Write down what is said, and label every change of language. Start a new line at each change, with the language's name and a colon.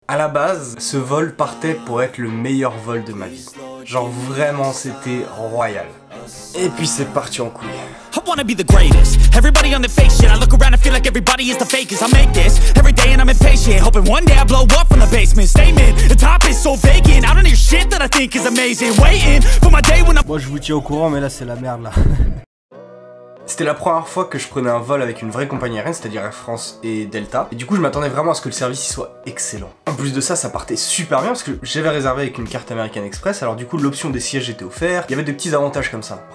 French: À la base, ce vol partait pour être le meilleur vol de ma vie. Genre vraiment, c'était royal. Et puis c'est parti en couille.
English: I wanna be the greatest. Everybody on the fake shit. I look around and feel like everybody is the fakest. I make this every day and I'm impatient. Hoping one day I blow up from the basement. Statement, the top is so vacant. I don't hear shit that I think is amazing. Waiting for my day when I...
French: Moi je vous tiens au courant, mais là c'est la merde là. C'était la première fois que je prenais un vol avec une vraie compagnie aérienne, c'est-à-dire Air France et Delta. Et du coup, je m'attendais vraiment à ce que le service y soit excellent. En plus de ça, ça partait super bien, parce que j'avais réservé avec une carte American Express, alors du coup, l'option des sièges était offerte. Il y avait des petits avantages comme ça.